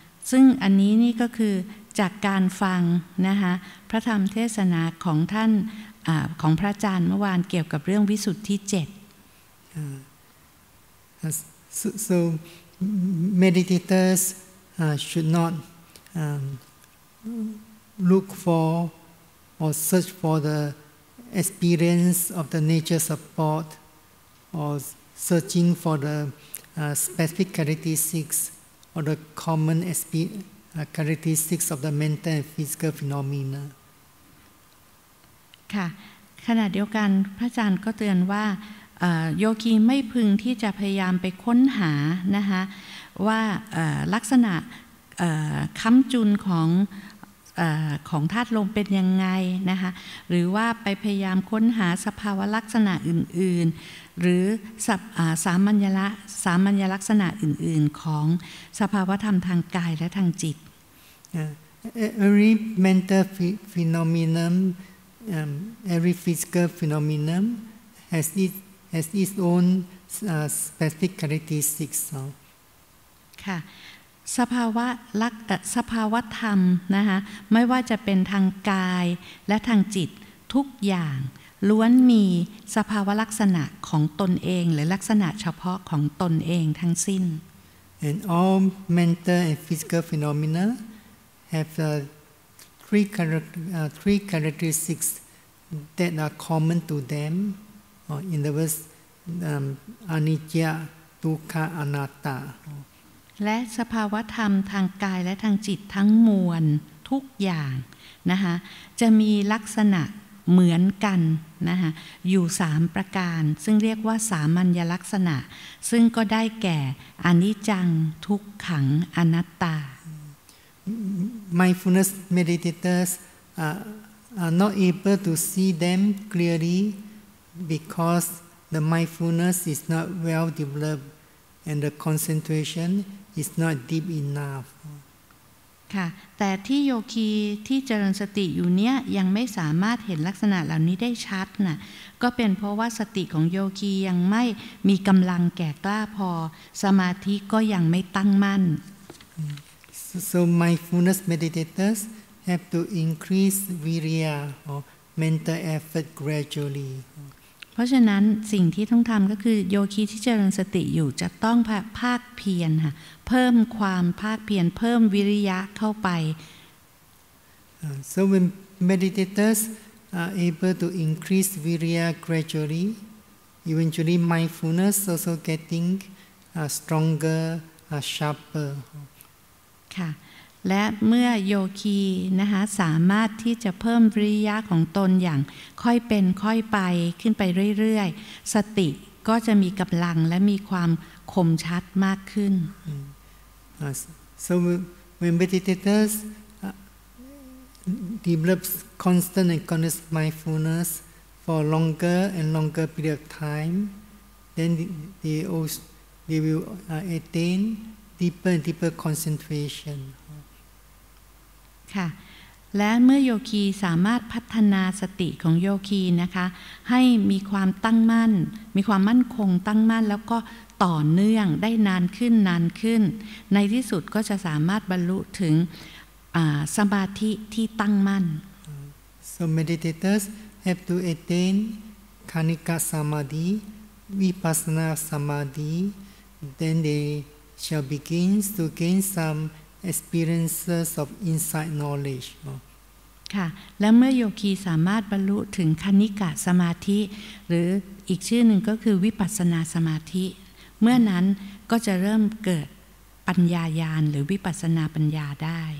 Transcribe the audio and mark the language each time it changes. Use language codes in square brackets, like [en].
[th] ซึ่งอันนี้นี่ก็คือจากการฟังนะคะพระธรรมเทศนาของท่านของพระอาจารย์เมื่อวานเกี่ยวกับเรื่องวิสุทธิเจ็ด [en] so meditators should not look for or search for the experience of the nature support or searching for the specific characteristicsor the common characteristics of the mental and physical phenomena. [th] ค่ะขณะเดียวกันพระอาจารย์ก็เตือนว่าโยคีไม่พึงที่จะพยายามไปค้นหานะคะว่าลักษณะค้ำจุนของของธาตุลมเป็นยังไงนะคะหรือว่าไปพยายามค้นหาสภาวะลักษณะอื่นๆหรือสามัญลักษณะอื่นๆของสภาวะธรรมทางกายและทางจิต [en] Every mental phenomenon every physical phenomenon has its own specific characteristics [th] ค่ะสภาวะธรรมนะคะไม่ว่าจะเป็นทางกายและทางจิตทุกอย่างล้วนมีสภาวะลักษณะของตนเองหรือลักษณะเฉพาะของตนเองทั้งสิ้น [en] And all mental and physical phenomena have three characteristics that are common to them or in the words anicca dukkha anatta [th] และสภาวะธรรมทางกายและทางจิตทั้งมวลทุกอย่างนะคะจะมีลักษณะเหมือนกันนะคะอยู่3ประการซึ่งเรียกว่าสามัญลักษณะซึ่งก็ได้แก่อนิจจังทุกขังอนัตตา [en] Mindfulness meditators are not able to see them clearly because the mindfulness is not well developed and the concentrationis not deep enough. [th] ค่ะแต่ที่โยคีที่เจริญสติอยู่เนี้ยยังไม่สามารถเห็นลักษณะเหล่านี้ได้ชัดน่ะก็เป็นเพราะว่าสติของโยคียังไม่มีกำลังแก่กล้าพอสมาธิก็ยังไม่ตั้งมั่น [en] So mindfulness meditators have to increase virya or mental effort gradually [th] เพราะฉะนั้นสิ่งที่ต้องทำก็คือโยคีที่เจริญสติอยู่จะต้องภาคเพียรค่ะเพิ่มความภาคเพียรเพิ่มวิริยะเข้าไป [en] So when meditators are able to increase virya gradually eventually mindfulness also getting stronger sharper [th] ค่ะและเมื่อโยคีนะคะสามารถที่จะเพิ่มวิริยะของตนอย่างค่อยเป็นค่อยไปขึ้นไปเรื่อยๆสติก็จะมีกำลังและมีความคมชัดมากขึ้น [en] So when meditators develop constant and conscious mindfulness for longer and longer period of time, then they will attain deeper and deeper concentration. [th] ค่ะและเมื่อโยคีสามารถพัฒนาสติของโยคีนะคะให้มีความตั้งมั่นมีความมั่นคงตั้งมั่นแล้วก็ต่อเนื่องได้นานขึ้นนานขึ้นในที่สุดก็จะสามารถบรรลุถึงสมาธิที่ตั้งมั่น [en] So meditators have to attain Kanika Samadhi, Vipassana Samadhi then they shall begin to gain some experiences of insight knowledge [th] ค่ะและเมื่อโยคีสามารถบรรลุถึงคณิกะสมาธิหรืออีกชื่อหนึ่งก็คือวิปัสสนาสมาธิเมื่อนั้นก็จะเริ่มเกิดปัญญาญาณหรือวิปัสสนาปัญญาได